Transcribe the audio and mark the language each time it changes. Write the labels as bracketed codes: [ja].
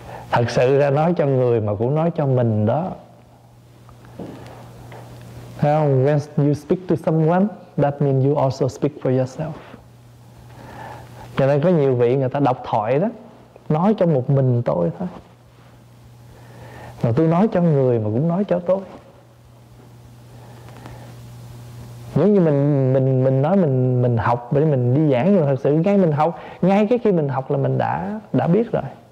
[vi] Thật sự ra nói cho người mà cũng nói cho mình đó. [en] When you speak to someone, that means you also speak for yourself. [vi] Cho nên có nhiều vị người ta đọc thoại đó, nói cho một mình tôi thôi, mà tôi nói cho người mà cũng nói cho tôi. Giống như mình nói mình học để mình đi giảng, nhưng mà thật sự ngay mình học, ngay cái khi mình học là mình đã biết rồi.